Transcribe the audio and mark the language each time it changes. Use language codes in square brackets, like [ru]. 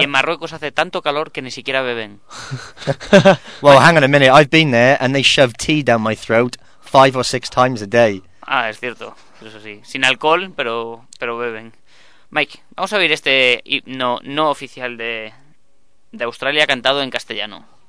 [es] Y en Marruecos hace tanto calor que ni siquiera beben. [en] Well, hang on a minute. I've been there and they shove tea down my throat 5 or 6 times a day. [es] Ah, es cierto. Eso sí. Sin alcohol, pero beben. Mike, vamos a oír este himno no oficial de Australia cantado en castellano.